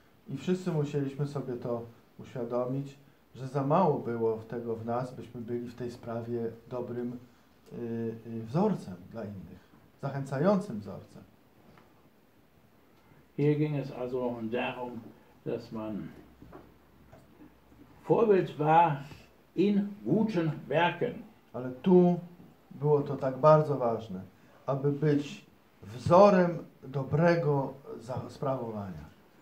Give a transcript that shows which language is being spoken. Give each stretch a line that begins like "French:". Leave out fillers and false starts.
Polish: I wszyscy musieliśmy sobie to uświadomić, że za mało było tego w nas, byśmy byli w tej sprawie dobrym wzorcem dla innych, zachęcającym wzorcem.
German: Hier ging es also darum, dass man Vorbild war in guten Werken.
Polish: Ale tu było to tak bardzo ważne, aby być wzorem dobrego sprawowania.